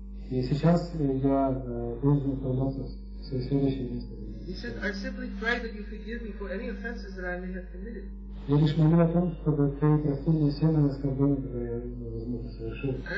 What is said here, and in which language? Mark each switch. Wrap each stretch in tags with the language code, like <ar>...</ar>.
<ru>И сейчас я должен отправиться в свое следующее место.</ru> <en>He said, I simply pray that you forgive me for any offenses that I may have committed.</en> <ru>Я лишь молю о том, чтобы ты простил мне все мои оскорбления, которые я, возможно, совершил.</ru>